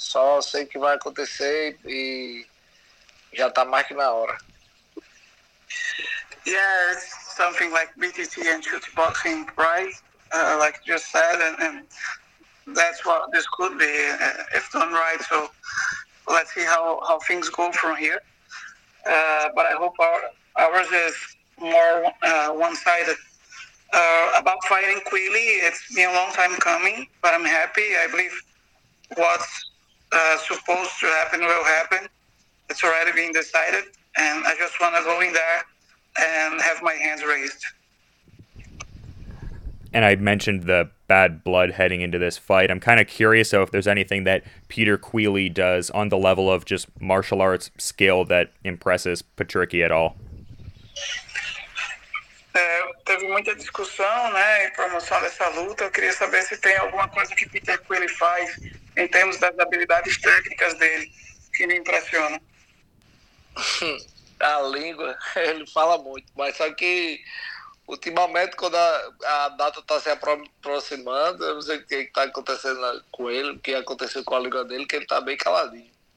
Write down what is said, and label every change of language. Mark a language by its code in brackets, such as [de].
[pt] Só sei que vai acontecer e já tá mais que na hora. [en] Yeah, it's something like BTT and shooting boxing, right? Like you just said, and that's what this could be if done right. So let's see how things go from here. But I hope ours is more one-sided. About fighting Quigley, it's been a long time coming, but I'm happy. I believe what's supposed to happen will happen. It's already been decided, and I just want to go in there and have my hands raised. And I mentioned the bad blood heading into this fight. I'm kind of curious, though, if there's anything that Peter Quigley does on the level of just martial arts skill that impresses Patricky at all. [pt] Teve muita discussão, né, em promoção dessa luta. Eu queria saber se tem alguma coisa que Peter Quigley faz em termos das habilidades técnicas dele que me impressiona. A língua, ele fala muito, mas só que ultimamente, quando a data está se aproximando, eu não sei o que está acontecendo com ele, o que aconteceu com a língua dele, que ele está bem caladinho.